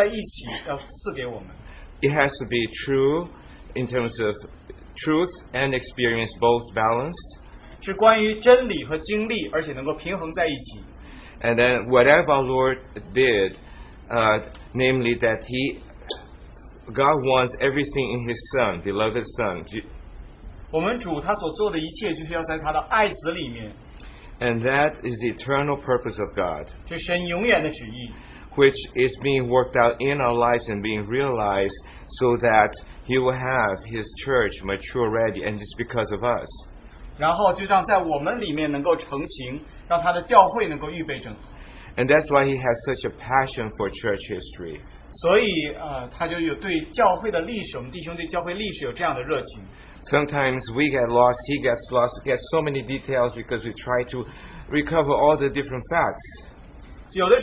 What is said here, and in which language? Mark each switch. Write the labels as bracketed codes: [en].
[zh] 我们的神，他想从好像创世的永远，直到将来的永远，过去的一直，所有的到我们的过去和将来，把它浓缩在一起，赐给我们。 [en] It has to be true in terms of truth and experience, both balanced. [zh] 是关于真理和经历，而且能够平衡在一起。 [en] And then whatever our Lord did, namely that He, God wants everything in His Son, beloved Son. [zh] 我们主他所做的一切就是要在他的爱子里面。 [en] And that is the eternal purpose of God. [zh] 这神永远的旨意。 [en] Which is being worked out in our lives and being realized so that He will have His church mature ready, and it's because of us. [zh] 然后就让在我们里面能够成形。 [en] And that's why He has such a passion for church history. [zh] 所以，他就有对教会的历史，我们弟兄对教会历史有这样的热情。 [en] Sometimes we get lost, he gets lost, gets so many details because we try to recover all the different facts.